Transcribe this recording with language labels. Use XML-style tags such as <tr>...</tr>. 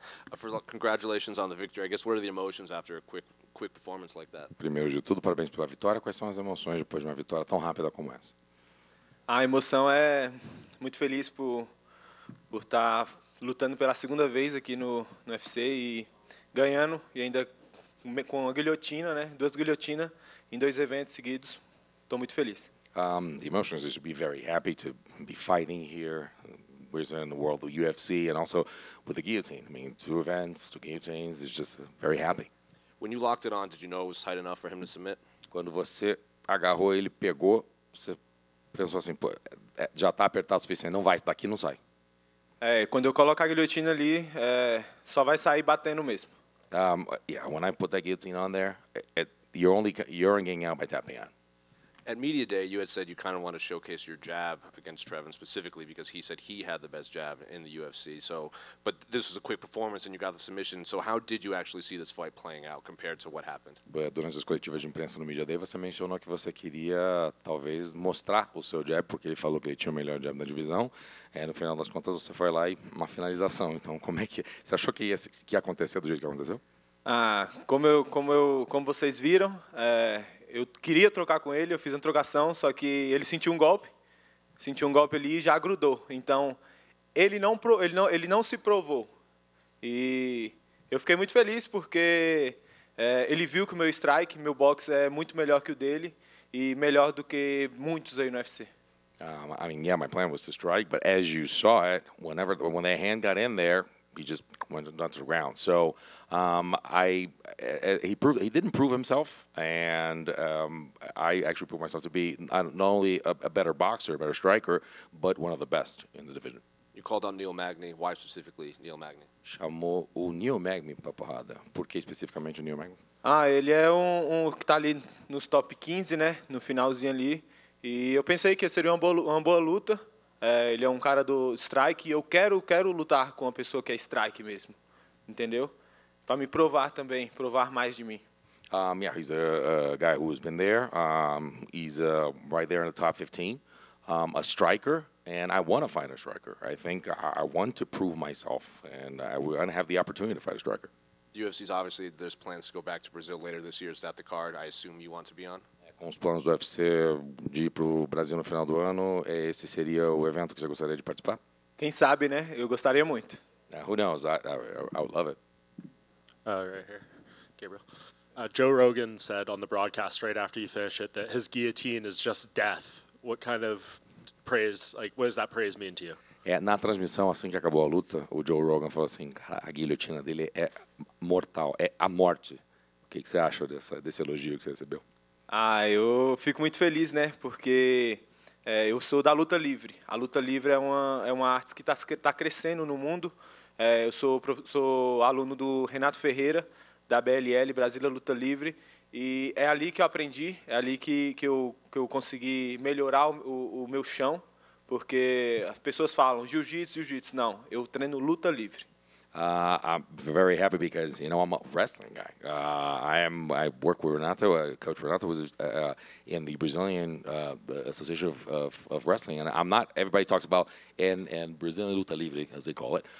<en>First of all, congratulations on the victory. I guess, what are the emotions after a quick performance like that?</en> <pt>Primeiro de tudo, parabéns pela vitória. Quais são as emoções depois de uma vitória tão rápida como essa? A emoção é muito feliz por estar lutando pela segunda vez aqui no UFC e ganhando, e ainda com a guilhotina, né? Duas guilhotinas em dois eventos seguidos. Estou muito feliz.</pt> <en>The emotions is to be very happy to be fighting here. We're in the world of UFC and also with the guillotine. I mean, two events, two guillotines, it's just very happy. When you locked it on, did you know it was tight enough for him to submit?</en> <pt>Quando você agarrou, ele pegou, você pensou assim, pô, já tá apertado o suficiente, não vai, daqui não sai. É, quando eu coloco a guilhotina ali, só vai sair batendo mesmo.</pt> <en>Yeah, when I put that guillotine on there, you're only getting out by tapping on. At Media Day, you had said you kind of want to showcase your jab against Trevin specifically because he said he had the best jab in the UFC. So, but this was a quick performance and you got the submission. So how did you actually see this fight playing out compared to what happened?</en> <pt>But durante as coletivas de imprensa no Media Day, você mencionou que você queria talvez mostrar o seu jab porque ele falou que ele tinha o melhor jab da divisão. É, no final das contas, você foi lá e uma finalização. Então, como é que você achou que ia acontecer do jeito que aconteceu? Ah, como vocês viram, eu queria trocar com ele, eu fiz uma trocação, só que ele sentiu um golpe ali e já grudou. Então, ele não se provou. E eu fiquei muito feliz porque ele viu que o meu strike, meu boxe é muito melhor que o dele e melhor do que muitos aí no UFC.</pt> <en>I mean, yeah, my plan was to strike, but as you saw it, when their hand got in there, he just went down to the ground. So he didn't prove himself, and I actually proved myself to be not only a better boxer, a better striker, but one of the best in the division. You called on Neil Magny. Why specifically Neil Magny?</en> <pt>Chamou o Neil Magny para porrada. Por que especificamente o Neil Magny? Ah, ele é um que está ali nos top 15, né? No finalzinho ali. E eu pensei que seria uma boa luta. Ele é um cara do strike e eu quero lutar com uma pessoa que é strike mesmo, entendeu? Para me provar também, provar mais de mim.</pt> <en>Yeah, he's a guy who's been there. He's right there in the top 15, a striker, and I want to fight a striker. I think I want to prove myself, and I want to have the opportunity to fight a striker. The UFC's obviously, there's plans to go back to Brazil later this year. Is that the card I assume you want to be on?</en> <pt>Com os planos do UFC de ir para o Brasil no final do ano, esse seria o evento que você gostaria de participar? Quem sabe, né? Eu gostaria muito.</pt> <en>Who knows? I would love it. Right here. Gabriel. Joe Rogan said on the broadcast right after you finish it that his guillotine is just death. What kind of praise, like, what does that praise mean to you?</en> <pt>É, na transmissão, assim que acabou a luta, o Joe Rogan falou assim, cara, a guilhotina dele é mortal, é a morte. O que você acha desse elogio que você recebeu? Ah, eu fico muito feliz, né? Porque eu sou da luta livre. A luta livre é uma arte que está crescendo no mundo. Eu sou aluno do Renato Ferreira, da BLL, Brasília Luta Livre. E é ali que eu aprendi, é ali que eu consegui melhorar o meu chão. Porque as pessoas falam, jiu-jitsu, jiu-jitsu. Não, eu treino luta livre.</pt> <en>I'm very happy because, you know, I'm a wrestling guy. I work with Renato, Coach Renato was in the Brazilian Association of Wrestling. And I'm not, everybody talks about, and Brazilian Luta Livre, as they call it.</en>